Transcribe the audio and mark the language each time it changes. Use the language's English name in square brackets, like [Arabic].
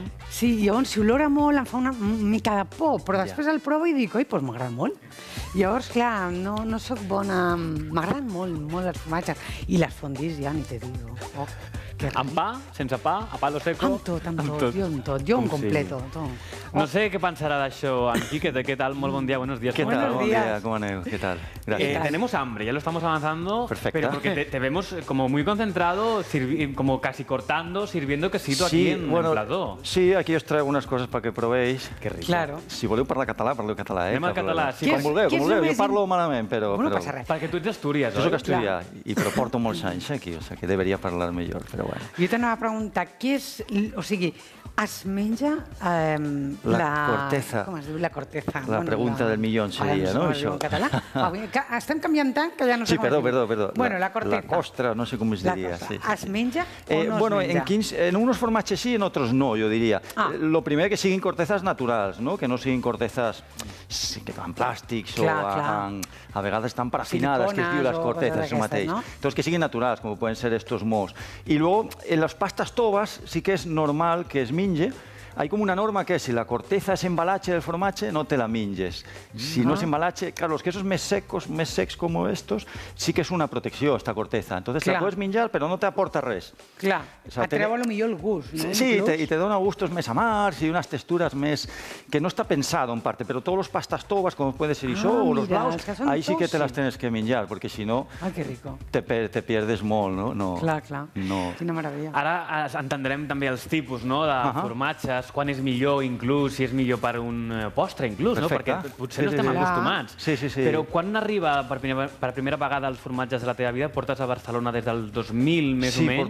[Catalan] Sí, llavors, si olora molt, em fa una mica de por, però després el provo i dic, oi, doncs m'agrada molt. Llavors, clar, no soc bona... M'agraden molt, molt els formatges. I les fondues, ja, [Spanish] ni te digo. [Catalan] Amb pa, sense pa, [Spanish] a palo seco... [Catalan] Amb tot. Jo em completo. No sé què pensarà d'això en Quique, de què tal? Molt bon dia, [Spanish] buenos días. [Catalan] Què tal? Bon dia, com aneu? Què tal? [Spanish] Tenemos hambre, ya lo estamos avanzando. Perfecto. Pero porque te vemos como muy concentrado, como casi cortando, sirviendo quesito aquí en el plató. Sí, aquí os traigo unas cosas para que probéis. Qué rico. Claro. [Catalan] Si voleu parlar català, parleu català. Anem al català. Com vulgueu, com vulgueu. Jo parlo malament, però... No passa res. Perquè tu ets d'Astúries, oi? Jo soc d'Astúria, però porto molts anys aquí, o sigui que deberia parlar millor, però bueno. Jo t'anava a preguntar, què és... O sigui, es menja la... La corteza. Com es diu? La corteza. [Spanish] La pregunta del millón seria, no? [Catalan] En català. Estem canviant tant que ja no sé com... Sí, perdó. [Spanish] Bueno, la corteza. [Catalan] La costra, no sé com es diria. Es menja o no es menja? Bueno, en unos formatges sí, en otros no, jo diria. Lo primer, que siguin cortezas naturals, no? Que no siguin cortezas en plàstics o en... A vegades estan parafinades, que es diu les cortezas, això mateix. Entonces, que siguin naturals, com poden ser estos mos. I luego, en les pastas toves sí que és normal que es menja. [Spanish] Hay como una norma que es, si la corteza es embalatge del formatge, [Catalan] no te la menges. [Spanish] Si no es embalatge, claro, los quesos més secos, més secs como estos, sí que es una protecció, esta corteza. Entonces la puedes menjar, pero no te aporta res. [Catalan] Clar, et treu a lo millor el gust. [Spanish] Sí, y te dona gustos més amars y unas texturas més... Que no está pensado en parte, pero todos los pastas toves, como puede ser això, o los blaus, ahí sí que te las tienes que menjar, porque si no... Ay, qué rico. Te pierdes molt, no? [Catalan] Clar. No. Quina meravella. Ara entendrem també els tipus de formatges, quan és millor, inclús, si és millor per un postre, inclús, no? Perquè potser no estem acostumats. Sí, sí, sí. Però quan arriba per primera vegada els formatges de la teva vida, portes a Barcelona des del 2000, més o menys?